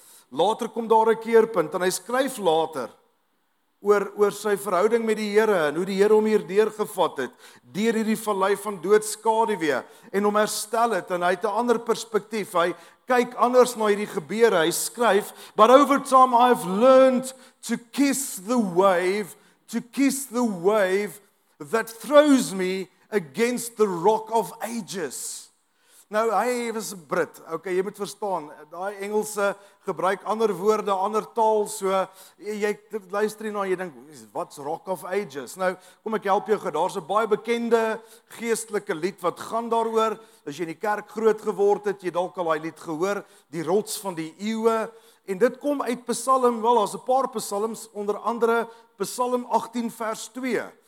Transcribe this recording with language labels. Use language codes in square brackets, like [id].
[af] Later kom daar 'n keerpunt en hy skryf later oor sy verhouding met die Here en hoe die Here hom hierdeur gevat het, deur hierdie vallei van doodskaduwee en hom herstel het, en hy het 'n ander perspektief. Hy kyk anders na hierdie gebeure. Hy skryf, [en] "But over time I've learned to kiss the wave, to kiss the wave that throws me against the rock of ages." [af] Nou, hy was 'n Brit. Okay, jy moet verstaan, daai Engelse gebruik ander woorde, ander taal, so, jy luister hierna, jy dink, [en] what's rock of ages? [af] Nou, kom ek help jou, daar's 'n baie bekende geestelike lied wat gaan daaroor, as jy in die kerk groot geword het, jy dalk al daai lied gehoor, die rots van die eeue, en dit kom uit Psalm, wel, daar's 'n paar psalms, onder andere Psalm 18 vers 2,